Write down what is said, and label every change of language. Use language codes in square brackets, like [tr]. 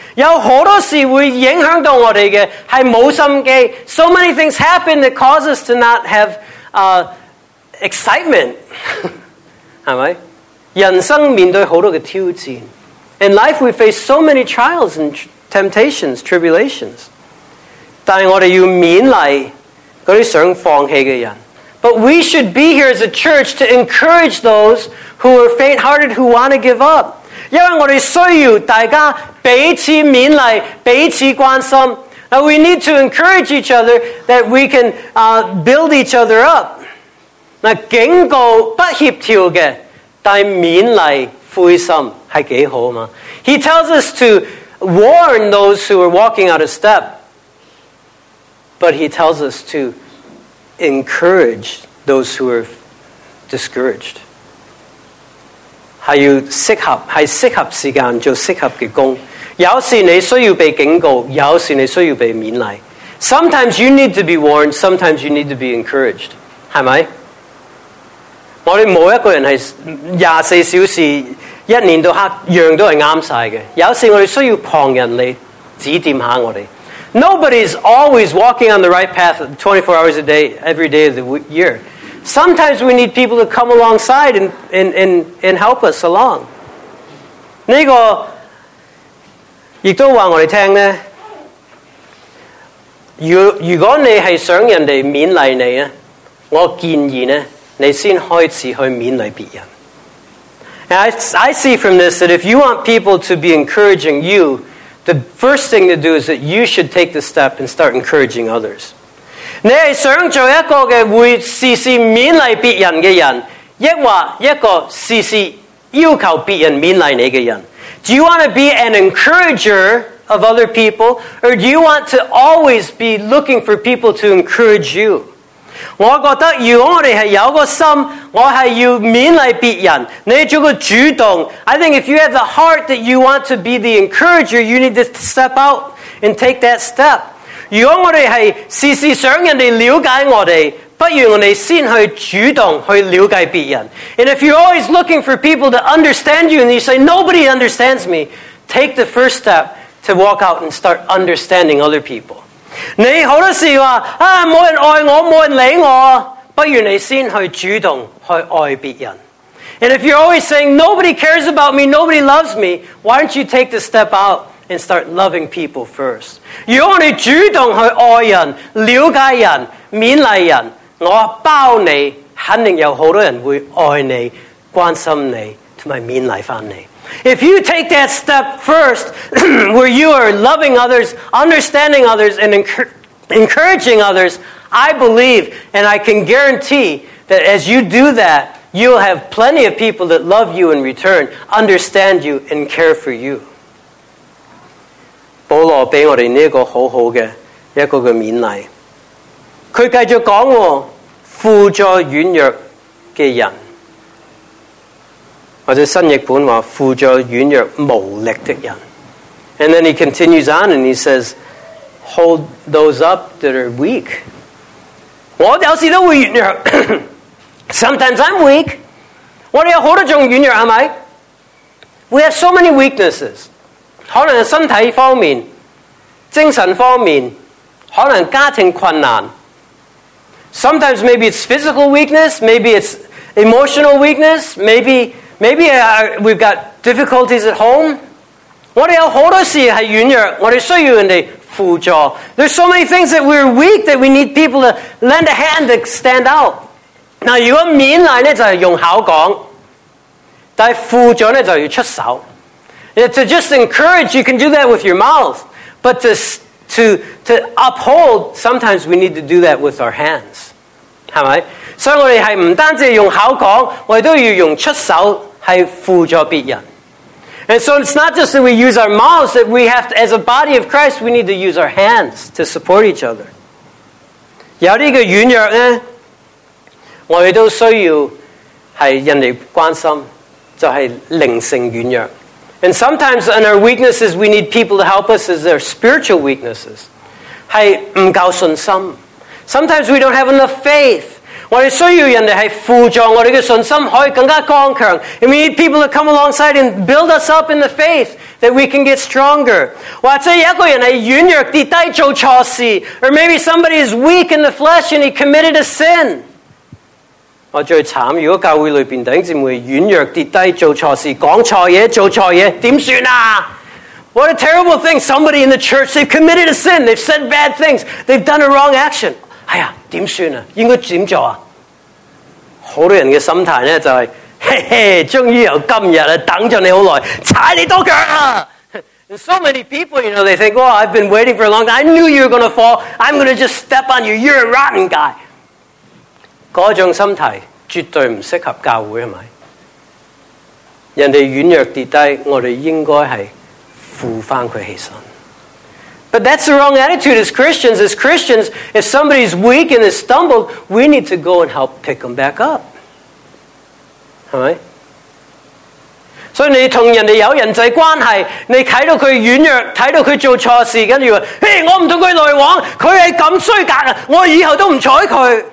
[zh] 有好多时会影响到我哋嘅系冇心机。 [en] So many things happen that cause us to not have excitement. [zh] 是吧？人生面对很多的挑战。 [en] In life we face so many trials and temptations, tribulations. [zh] 但我们要勉励那些想放弃的人。 [en] But we should be here as a church to encourage those who are faint-hearted, who want to give up. [zh] 因为我们需要大家彼此勉励，彼此关心。 [en] Now we need to encourage each other that we can build each other up. [zh] 那警告不協調的，但勉勵灰心是多好嘛。 [en] He tells us to warn those who are walking out of step, but he tells us to encourage those who are discouraged. [zh] 是适合时间做适合的工。有时你需要被警告，有时你需要被勉励。 [en] Sometimes you need to be warned, sometimes you need to be encouraged. [zh] 是吗？我们没有一个人是24小时一年到黑样都是对晒的。有时我们需要旁人来指点下我们。 [en] Nobody is always walking on the right path 24 hours a day, every day of the year. Sometimes we need people to come alongside and help us along. [zh] 这个亦都话我哋听咧，如果你系想人哋勉励你咧，我建议咧，你先开始去勉励别人。 [en] I see from this that if you want people to be encouraging you, the first thing to do is that you should take the step and start encouraging others. [zh] 你系想做一个嘅会事事勉励别人嘅人，抑或一个事事要求别人勉励你嘅人？ [en] Do you want to be an encourager of other people, or do you want to always be looking for people to encourage you? [zh] 我觉得如果我哋系有个心，我系要勉励别人，你做个主动。 [en] I think if you have the heart that you want to be the encourager, you need to step out and take that step. [zh] 如果我哋系时时想人哋了解我哋。不如我哋先去主动去了解别人。 [en] And if you're always looking for people to understand you, and you say nobody understands me, take the first step to walk out and start understanding other people. [zh] 你好多时话啊，冇人爱我，冇人理我。不如你先去主动去爱别人。 [en] And if you're always saying nobody cares about me, nobody loves me, why don't you take the step out and start loving people first? [zh] 如果你主动去爱人、了解人。勉励人，我包你，肯定有好多人会爱你、关心你，同埋勉励翻你。 [en] If you take that step first, where you are loving others, understanding others, and encouraging others, I believe, and I can guarantee that as you do that, you'll have plenty of people that love you in return, understand you, and care for you. [zh] 保罗俾我哋呢个好好嘅一个嘅勉励。他继续讲，辅助软弱的人，或者新译本说辅助软弱无力的人。 [en] And then he continues on and he says, hold those up that are weak. [zh] 我有时都会软弱。 [en] Sometimes I'm weak. [zh] 我们有很多种软弱，是不是？ [en] We have so many weaknesses. [zh] 可能是身体方面，精神方面，可能家庭困难。 [en] Sometimes maybe it's physical weakness, maybe it's emotional weakness, maybe we've got difficulties at home. [zh] 我们有很多事是软弱，我们需要人家辅助。 [en] There's so many things that we're weak that we need people to lend a hand to stand out. [zh] 那如果勉励呢，就是用口讲，但是辅助呢，就要出手。 [en] To just encourage, you can do that with your mouth, but to uphold, sometimes we need to do that with our hands. [zh] 是不是？所以我们是不单只用口讲，我们都要用出手去辅助别人。 [en] And so it's not just that we use our mouths, that we have to, as a body of Christ, we need to use our hands to support each other. [zh] 有这个软弱呢，我们都需要是人家关心，就是灵性软弱。 [en] And sometimes in our weaknesses, we need people to help us as their spiritual weaknesses. [zh] 是不够信心。 [en] Sometimes we don't have enough faith. [zh] 我们需要人家是辅助我们的信心可以更加刚强。 [en] And we need people to come alongside and build us up in the faith that we can get stronger. [zh] 或者一个人是软弱的低做错事。 [en] Or maybe somebody is weak in the flesh and he committed a sin. [zh] 我最惨，如果教会里边弟兄姊妹软弱跌低做错事，讲错嘢做错嘢，点算啊 [en] ？What a terrible thing! Somebody in the church they've committed a sin, they've said bad things, they've done a wrong action. [zh] 哎呀，点算啊？应该点做啊？好多人嘅心态咧就系、是，嘿嘿，终于有今日啦，等咗你好耐，踩你多脚啊！ [en] And so many people, you know, they think, "Well, I've been waiting for a long time. I knew you were going to fall. I'm going to just step on you. You're a rotten guy." [zh] 那种心态绝对不适合教会，是不是？人家软弱跌低，我们应该是扶他起身。 [en] But that's the wrong attitude as Christians. As Christians, if somebody's weak and has stumbled, we need to go and help pick them back up. [zh] 是不是？所以你跟人家有人际关系，你看到他软弱，看到他做错事，跟着说，嘿，我不跟他来往，他是这样衰格，我以后都不睬他。